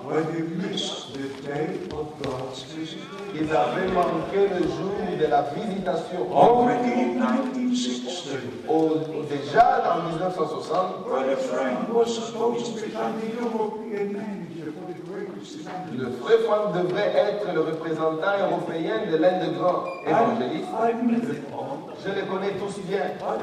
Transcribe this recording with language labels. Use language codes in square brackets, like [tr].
[en] When they missed the day of God's visit. [fr] Ils avaient manqué le jour de la visitation. [en] Already in 1960. [fr] Déjà en 1960. [en] Brother Frank was supposed to become the European manager for the greatest. [fr] Le frère Frank devait être le représentant européen de l'un des grands évangélistes. Je les connais tous bien.